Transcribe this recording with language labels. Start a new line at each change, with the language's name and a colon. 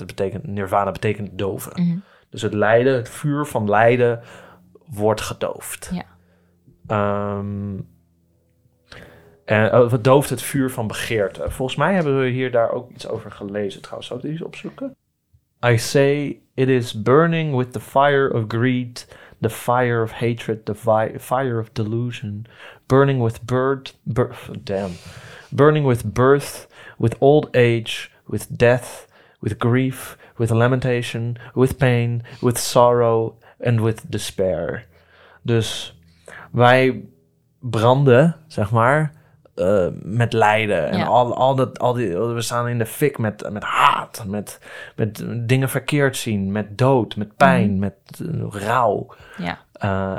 Dutch: Het betekent, nirvana betekent doven. Mm-hmm. Dus het lijden, het vuur van lijden, wordt gedoofd. Ja. Het dooft het vuur van begeerte. Volgens mij hebben we hier daar ook iets over gelezen. Trouwens, zou ik die eens opzoeken?
English: I say, it is burning with the fire of greed, the fire of hatred, the fire of delusion. Burning with burning with birth, with old age, with death, with grief, with lamentation, with pain, with sorrow and with despair.
Dutch: Dus wij branden, zeg maar, met lijden. Ja. En we staan in de fik met haat, met dingen verkeerd zien, met dood, met pijn, met rouw. Ja.